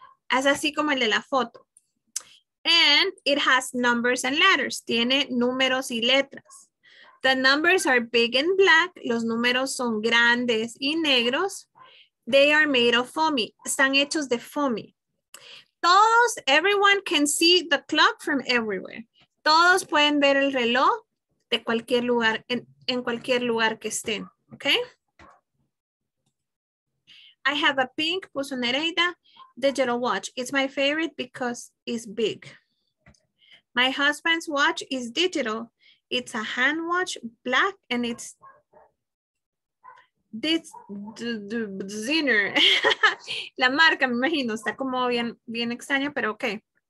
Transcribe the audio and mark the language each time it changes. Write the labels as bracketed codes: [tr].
[es] Es así como el de la foto. [en] And it has numbers and letters. [es] Tiene números y letras. [en] The numbers are big and black. Los números son grandes y negros. They are made of foamy. [es] Están hechos de foamy. [en] Todos, everyone can see the clock from everywhere. [es] Todos pueden ver el reloj de cualquier lugar, en cualquier lugar que estén, okay? [en] I have a pink, [es] puso Nereida, [en] digital watch. It's my favorite because it's big. My husband's watch is digital. It's a hand watch, black, and it's this designer. [es] La marca, me imagino, está como bien, bien extraño, pero okay.